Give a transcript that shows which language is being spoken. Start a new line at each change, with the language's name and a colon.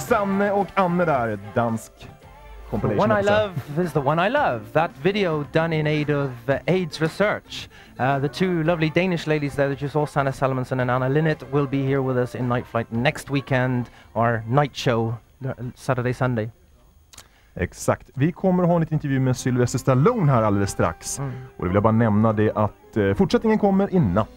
Swedish: Sanne och Anne där, dansk compilation.
English: The one I love is the one I love. That video done in aid of AIDS research. The two lovely Danish ladies there that you saw, Sanne Salmonsen and Anna Linnet, will be here with us in Nightflight next weekend, our night show, Saturday, Sunday.
Swedish: Exakt. Vi kommer att ha en liten intervju med Sylvester Stallone här alldeles strax. Mm. Och det vill jag bara nämna det att fortsättningen kommer i natt.